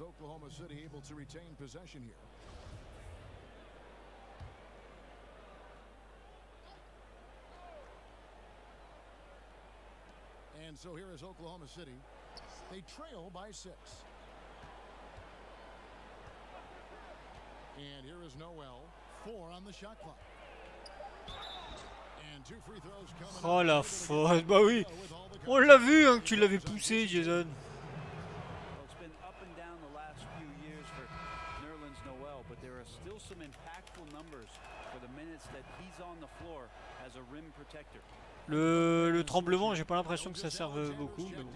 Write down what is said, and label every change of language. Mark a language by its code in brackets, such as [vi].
[en] Oklahoma City able to retain possession here. And so here is Oklahoma City. They trail by six. And here is Noel, four on the shot clock. And two free throws coming. [fr] Oh la faute, bah oui. On l'a vu hein, que tu l'avais poussé, Jason. [en] Well, it's been up and down the last few years for Nerlens Noel, but there are still some impactful numbers for the minutes that he's on the floor as a rim protector. [fr] Le tremblement, j'ai pas l'impression que ça serve beaucoup.